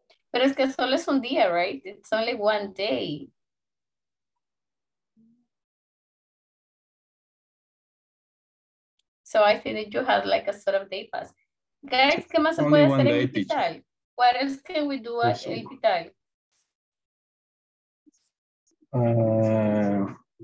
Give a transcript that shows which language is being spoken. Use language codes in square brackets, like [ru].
[es] Pero es que solo es un día, right? [en] It's only one day. So I think that you have like a sort of day pass. [es] Guys, ¿qué más se puede hacer en el hospital? [en] What else can we do at the hospital?